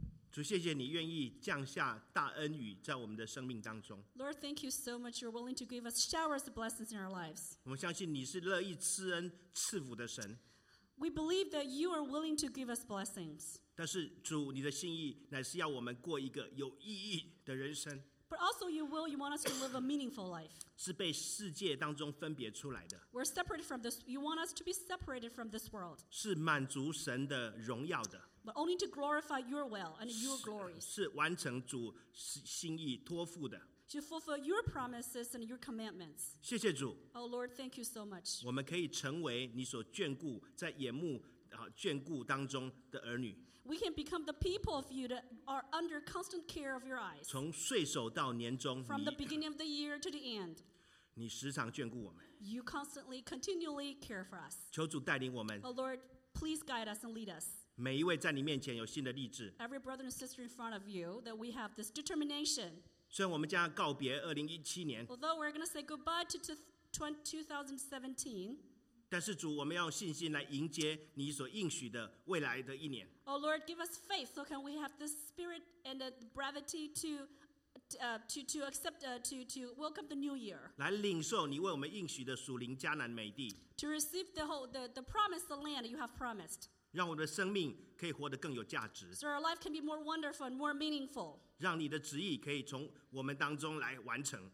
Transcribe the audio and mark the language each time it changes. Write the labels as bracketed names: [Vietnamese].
[Chinese] 主，谢谢你愿意降下大恩雨在我们的生命当中。 [English] Lord, thank you so much. You're willing to give us showers of blessings in our lives. [Chinese] 我们相信你是乐意赐恩赐福的神。 [English] We believe that you are willing to give us blessings. [Chinese] 但是主，你的心意乃是要我们过一个有意义的人生。 [English] But also you will, you want us to live a meaningful life. [Chinese] 是被世界当中分别出来的。 [English] We're separated from this, you want us to be separated from this world. [Chinese] 是满足神的荣耀的。 [English] But only to glorify your will and your glory. [Chinese] 是完成主心意托付的。 [English] To fulfill your promises and your commandments. [Chinese] 谢谢主。 [English] Oh Lord, thank you so much. [Chinese] 我们可以成为你所眷顾在眼目眷顾当中的儿女。 [English] We can become the people of you that are under constant care of your eyes. [Chinese] 从岁首到年终。 [English] From the beginning of the year to the end. [Chinese] 你时常眷顾我们。 [English] You constantly, continually care for us. [Chinese] 求主带领我们。 [English] Oh Lord, please guide us and lead us. [Chinese] 每一位在你面前有新的立志。 [English] Every brother and sister in front of you, that we have this determination. [Chinese] 虽然我们将要告别2017年。 [English] Although we're going to say goodbye to 2017. [Chinese] 但是主，我们要用信心来迎接你所应许的未来的一年。 [English] Oh Lord, give us faith, so can we have the spirit and the bravery to accept to welcome the new year. [Chinese] 来领受你为我们应许的属灵迦南美地。 [English] To receive the promised land you have promised. [Chinese] 让我们的生命可以活得更有价值。 [English] So our life can be more wonderful and more meaningful. [Chinese] 让你的旨意可以从我们当中来完成。